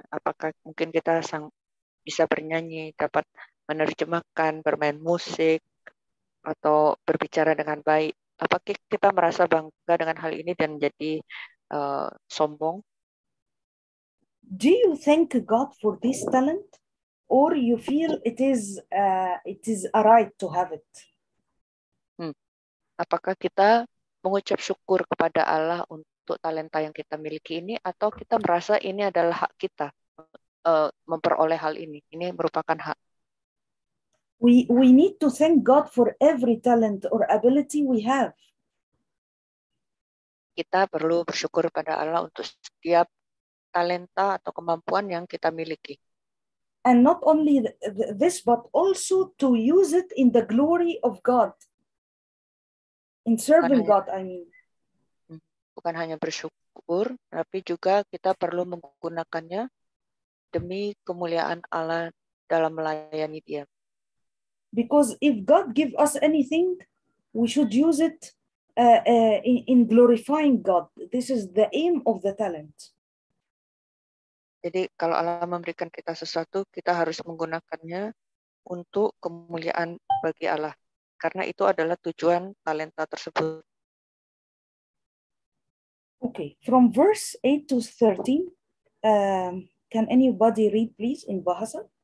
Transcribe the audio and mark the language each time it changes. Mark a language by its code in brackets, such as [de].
[id] Apakah mungkin kita bisa bernyanyi, dapat menerjemahkan, bermain musik, atau berbicara dengan baik? Apakah kita merasa bangga dengan hal ini dan jadi sombong? [en] Do you thank God for this talent? or you feel it is a right to have it. [id] Apakah kita mengucap syukur kepada Allah untuk talenta yang kita miliki ini, atau kita merasa ini adalah hak kita memperoleh hal ini? Ini merupakan hak. [en] We need to thank God for every talent or ability we have. [id] Kita perlu bersyukur pada Allah untuk setiap talenta atau kemampuan yang kita miliki. [en] And not only this, but also to use it in the glory of God. In serving God, I mean. [id] Bukan hanya bersyukur, tapi juga kita perlu menggunakannya demi kemuliaan Allah dalam melayani Dia. [en] Because if God give us anything, we should use it in glorifying God. This is the aim of the talent. [id] Jadi kalau Allah memberikan kita sesuatu, kita harus menggunakannya untuk kemuliaan bagi Allah. Karena itu adalah tujuan talenta tersebut. [en] Okay, from verse 8 to 13, can anybody read please in Bahasa?